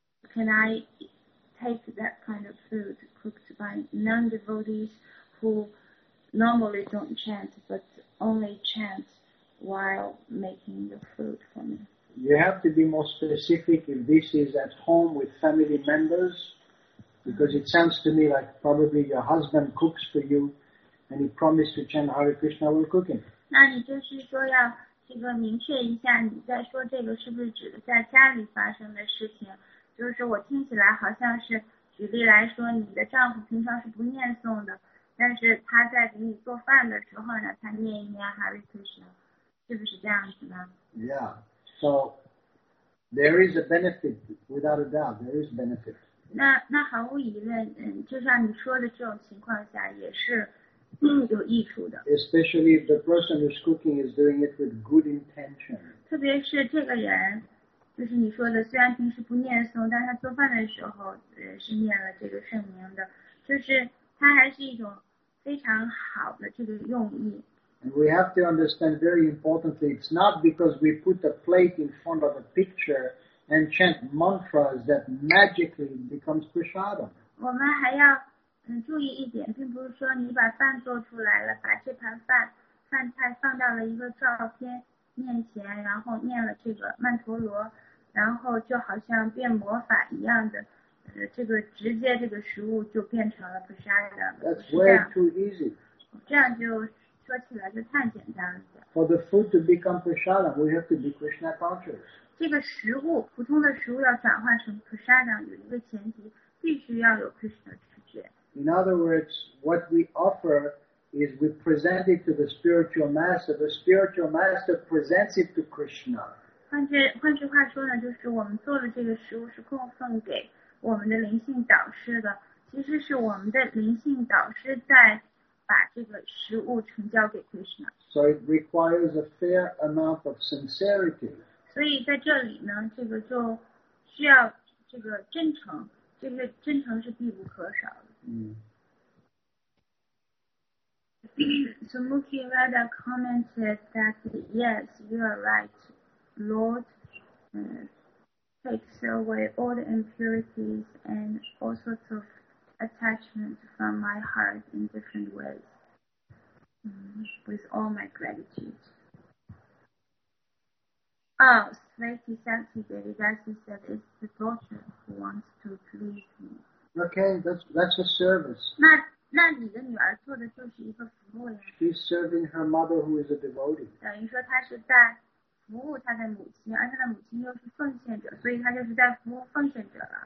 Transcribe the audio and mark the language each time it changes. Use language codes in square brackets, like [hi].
[en] Can I take that kind of food cooked by non-devotees who normally don't chant, but only chant while making the food for me? You have to be more specific if this is at home with family members, because it sounds to me like probably your husband cooks for you, and he promised to chant Hare Krishna while cooking. [zh] 那你就是说呀这个明确一下，你在说这个是不是指的在家里发生的事情？就是我听起来好像是举例来说，你的丈夫平常是不念诵的，但是他在给你做饭的时候呢，他念一念 Hare Krishna， 是不是这样子呢 [en] ？Yeah, so there is a benefit without a doubt. There is benefit. [zh] 那毫无疑问，嗯，就像你说的这种情况下也是。有益处的。 [en] Especially if the person who's cooking is doing it with good intention. [zh] 特别是这个人，就是你说的，虽然平时不念诵，但他做饭的时候，是念了这个圣名的，就是他还是一种非常好的这个用意。 [en] And we have to understand very importantly, it's not because we put a plate in front of a picture and chant mantras that magically becomes prasadam. [zh] 我们还要。注意一点，并不是说你把饭做出来了，把这盘饭菜放到了一个照片面前，然后念了这个曼陀罗，然后就好像变魔法一样的，这个直接这个食物就变成了菩萨的。 [en] That's way too easy. [zh] 这样就说起来就太简单了。 [en] For the food to become prasada, we have to be Krishna conscious. [zh] 这个食物，普通的食物要转换成菩萨的，有一个前提，必须要有 Krishna 知觉。 [en] In other words, what we offer is we present it to the spiritual master. The spiritual master presents it to Krishna. [zh] 换句话说呢，就是我们做的这个食物是供奉给我们的灵性导师的。其实是我们的灵性导师在把这个食物呈交给 Krishna. [en] So it requires a fair amount of sincerity. [zh] 所以在这里呢，这个就需要这个真诚，这个真诚是必不可少的。 [en] So Mukhi Radha commented that yes, you are right. Lord takes away all the impurities and all sorts of attachments from my heart in different ways. With all my gratitude. Oh, Sveti Sakti Devadasi said it's the daughter who wants to please me. Okay, that's a service. [zh] 那你的女儿做的就是一个服务呀。 [en] She's serving her mother who is a devotee. [zh] 等于说她是在服务她的母亲，而她的母亲又是奉献者，所以她就是在服务奉献者了。